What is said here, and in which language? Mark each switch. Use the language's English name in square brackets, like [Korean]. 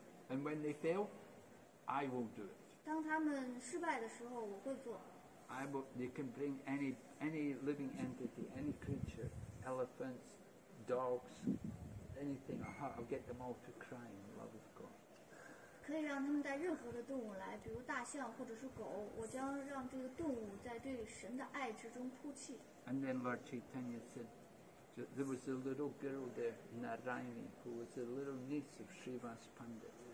[English] And when they fail, I will do it. [Chinese] 当他们失败的时候, 我会做。 [English] I will, they can bring any living entity, any creature, elephants, dogs, anything. I'll get them all to cry in the love of God. [Chinese] 可以让他们带任何的动物来, 比如大象或者是狗, 我将让这个动物在对神的爱之中哭泣。 [English] And then Lord Chaitanya said, there was a little girl there, Narayani, who was a little niece of Srivas Pandit.